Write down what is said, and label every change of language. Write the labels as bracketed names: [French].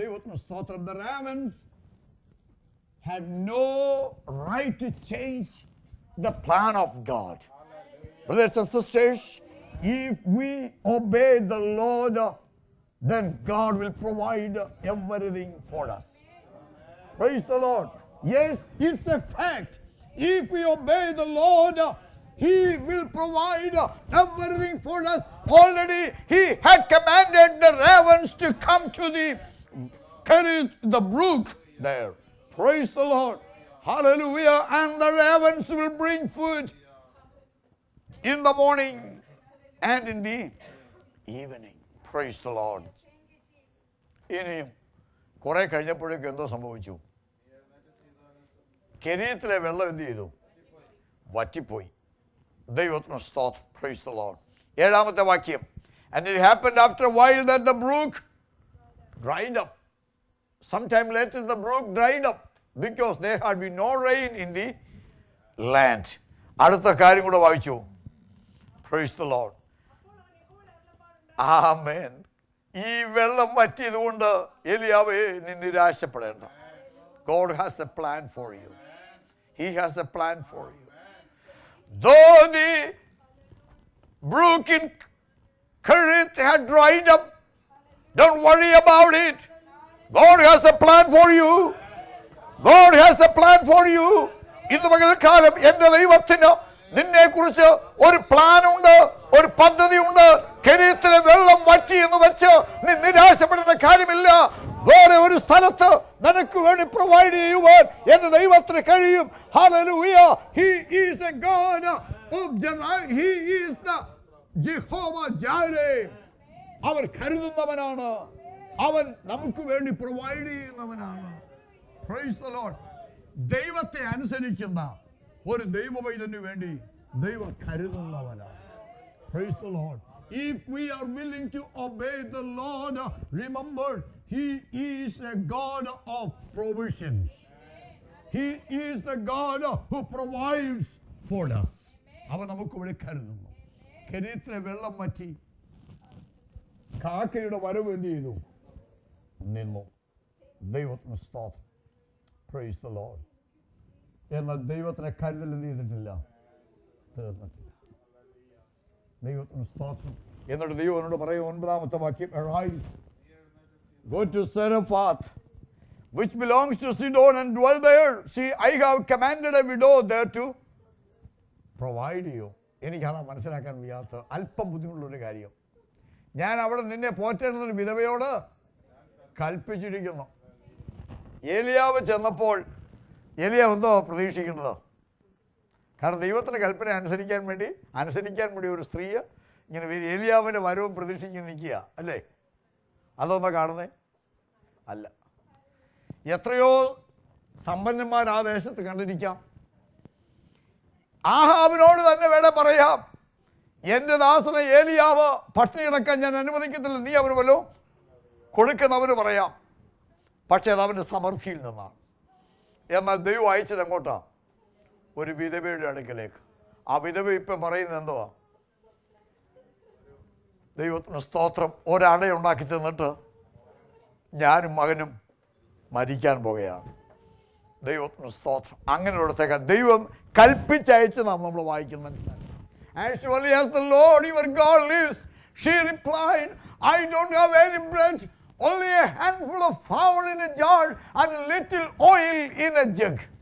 [Malayalam] ദൈവത്തിന് സ്തോത്രം. [English] The ravens have no right to change the plan of God. Brothers and sisters, if we obey the Lord, then God will provide everything for us. Praise the Lord. Yes, it's a fact. If we obey the Lord, He will provide everything for us. Already He had commanded the ravens to come to the Kerith, the brook there. Praise the Lord. Hallelujah. And the ravens will bring food in the morning and in the evening. Praise the Lord. [Malayalam] ഇനി കുറെ കഴിഞ്ഞപ്പോഴേക്ക് എന്തോ സംഭവിച്ചു. കെരീത്തിലെ വെള്ളം എന്ത് ചെയ്തു? വറ്റിപ്പോയി. ദൈവത്തിന് സ്തോത്രം. [English] Praise the Lord. [Malayalam] ഏഴാമത്തെ വാക്യം, [English] And it happened after while that the brook dried up. Some time later the brook dried up because there had been no rain in the land. [Malayalam] അടുത്ത കാര്യം കൂടെ വായിച്ചു. [English] Praise the Lord. [Malayalam] ആമേൻ. ഈ വെള്ളം വറ്റിയതുകൊണ്ട് എലിയാവേ നീ നിരാശപ്പെടേണ്ട. [English] God has a plan for you. He has a plan for you. Though the brook in Kerith had dried up, don't worry about it. God has a plan for you. God has a plan for you. [Malayalam] ഇന്ന് മുതൽ കാലം എൻ്റെ ദൈവത്തിന് നിന്നെ കുറിച്ച് ഒരു plan ഉണ്ട്, ഒരു പദ്ധതി ഉണ്ട്. കെരീത്തിലെ വെള്ളം വറ്റി എന്ന് വെച്ച് നീ നിരാശപ്പെടേണ്ട കാര്യമില്ല. വേറെ ഒരു സ്ഥലത്ത് നിനക്ക് വേണ്ടി പ്രൊവൈഡ് ചെയ്യുവാൻ എന്റെ ദൈവത്തിന് കഴിയും. [English] Hallelujah. He is a God of Jireh. He is the Jehovah Jireh. [Malayalam] അവൻ കരുതുന്നവനാണ്. അവൻ നമുക്ക് വേണ്ടി പ്രൊവൈഡ് ചെയ്യുന്നവനാണ്. [English] Praise the Lord. [Malayalam] ദൈവത്തെ അനുസരിക്കുന്ന ഒരു ദൈവവൈദ്യന് വേണ്ടി ദൈവം കരുതുന്നവനാണ്. [English] Praise the Lord. If we are willing to obey the Lord, remember, He is a God of provisions. He is the God who provides for us. [Malayalam] അവൻ നമുക്ക് വേണ്ടി കരുതുന്നു. കെരീത്തിലെ വെള്ളം വറ്റി, കാക്കയുടെ വരവ് എന്ത് ചെയ്തു? നിന്നു. ദൈവത്തിന് സ്തോത്രം. [English] Praise the Lord. [Malayalam] എന്നാൽ ദൈവത്തിനെ കരുതൽ എന്ത് ചെയ്തിട്ടില്ല? തീർന്നിട്ടില്ല. ദൈവത്തിന് സ്തോത്രം. എന്നിട്ട് ദൈവം എന്നോട് പറയും, ഒൻപതാമത്തെ വാക്യം, [English] arise, go to Zarephath, which belongs to Sidon, and dwell there. See, I have commanded a widow there to provide you. [Malayalam] എനിക്കതാ മനസ്സിലാക്കാൻ വയ്യാത്ത അല്പം ബുദ്ധിമുട്ടുള്ളൊരു കാര്യം. ഞാൻ അവിടെ നിന്നെ പോറ്റേണ്ടത് ഒരു വിധവയോട് കൽപ്പിച്ചിരിക്കുന്നു. ഏലിയാവ് ചെന്നപ്പോൾ ഏലിയാവ് എന്തോ പ്രതീക്ഷിക്കുന്നത്, കാരണം ദൈവത്തിൻ്റെ കൽപ്പന അനുസരിക്കാൻ വേണ്ടി ഒരു സ്ത്രീയെ ഇങ്ങനെ വരി ഏലിയാവിൻ്റെ വരവും പ്രതീക്ഷിച്ച് നിൽക്കുക അല്ലേ? അതൊന്നാ കാണുന്നേ അല്ല. എത്രയോ സമ്പന്നന്മാർ ആ ദേശത്ത് കണ്ടിരിക്കാം. ആഹാബിനോട് തന്നെ വേണേ പറയാം, എൻ്റെ ദാസനെ ഏലിയാവ് ഭക്ഷണം കിടക്കാൻ ഞാൻ അനുവദിക്കത്തില്ല, നീ അവന് വല്ലതും കൊടുക്കുന്നവന് പറയാം. പക്ഷേ അത് അവൻ്റെ സമൃദ്ധിയിൽ നിന്നാണ്. എന്നാൽ ദൈവം അയച്ചത് എങ്ങോട്ടാ? ഒരു വിധവയുടെ അടുക്കലേക്ക്. ആ വിധവ ഇപ്പം പറയുന്നത് എന്തുവാ? ദൈവത്തിന് സ്തോത്രം, ഒരടയുണ്ടാക്കി തന്നിട്ട് ഞാനും മകനും മരിക്കാൻ പോകുകയാണ്. ദൈവത്തിന് സ്തോത്രം. അങ്ങനെയുള്ളത്തേക്ക് ദൈവം കൽപ്പിച്ചയച്ച് നമ്മൾ വായിക്കുന്ന [English] Actually, as the Lord your God lives, she replied, I don't have any bread, only a handful of flour in a jar and a little oil in a jug.